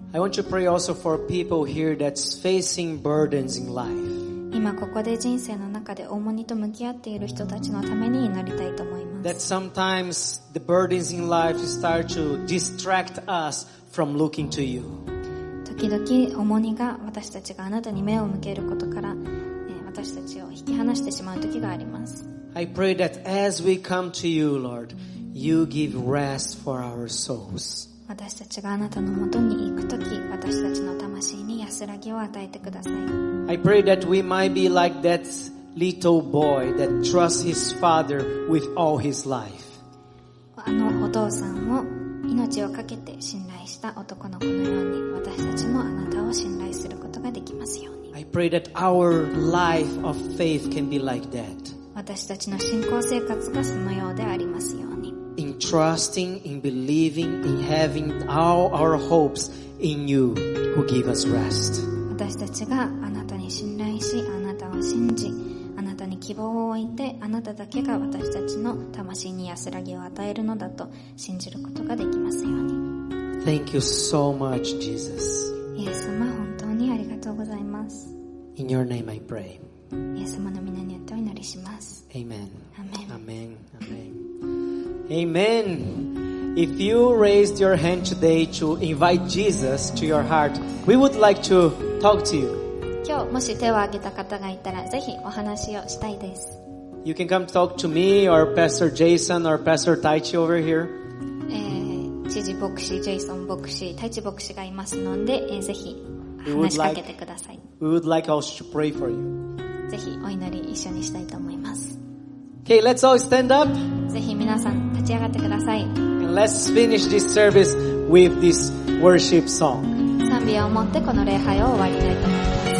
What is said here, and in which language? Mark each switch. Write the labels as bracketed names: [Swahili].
[English] I want to pray also for people here that's facing burdens in life. [Japanese] 今ここで人生の中で重荷と向き合っている人たちのために祈りたいと思います。 [English] That sometimes the burdens in life start to distract us from looking to you. [Japanese] 時々重荷が私たちがあなたに目を向けることから私たちを引き離してしまう時があります。 [English] I pray that as we come to you, Lord, you give rest for our souls. [Japanese] 私たちがあなたのもとに行くとき、私たちの魂に安らぎを与えてください。 [English] I pray that we might be like that little boy that trusts his father with all his life. [Japanese] あのお父さんを命をかけて信頼した男の子のように私たちもあなたを信頼することができますように。 [English] I pray that our life of faith can be like that. [Japanese] 私たちの信仰生活がそのようでありますように。 [English] In trusting, in believing, in having all our hopes in you who give us rest. [Japanese] 私たちがあなたに信頼し、あなたを信じ、あなたに希望を置いて、あなただけが私たちの魂に安らぎを与えるのだと信じることができますように。 [English] Thank you so much, Jesus. [Japanese] イエス様、本当にありがとうございます。 [English] In your name I pray. [Japanese] イエス様の御名によってお祈りします。 [English] Amen. Amen. Amen. Amen. Amen. If you raised your hand today to invite Jesus to your heart, we would like to talk to you. [Japanese] 今日もし手を挙げた方がいたらぜひお話をしたいです。 [English] You can come talk to me or Pastor Jason or Pastor Taichi over here. [Japanese] 知事牧師、ジェイソン牧師、太一牧師がいますので、ぜひ話しかけてください。 [English] We would like us to pray for you. [Japanese] ぜひお祈り一緒にしたいと思います。 [English] Okay, let's all stand up. [Japanese] ぜひ皆さん立ち上がってください。 [English] And let's finish this service with this worship song. [Japanese] 賛美を持ってこの礼拝を終わりたいと思います。